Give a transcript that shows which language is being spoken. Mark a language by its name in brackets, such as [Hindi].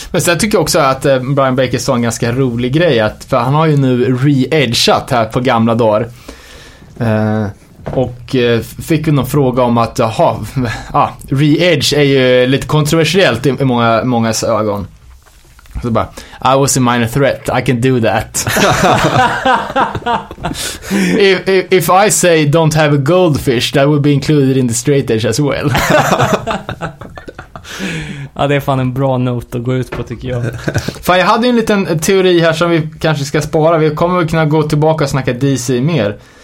[Swedish] Men sen tycker jag också att Brian Baker sa en ganska rolig grej, att, för han har ju nu re-edgat här på gamla dagar. Och fick vi någon fråga om att re-edge är ju lite kontroversiellt i många ögon. Så bara, [English] I was a minor threat, I can do that. if I say don't have a goldfish, that would be included in the straight edge as well. [Swedish] Ja, det är fan en bra not att gå ut på, tycker jag. Fan, jag hade en liten teori här som vi kanske ska spara. Vi kommer väl kunna gå tillbaka och snacka DC mer.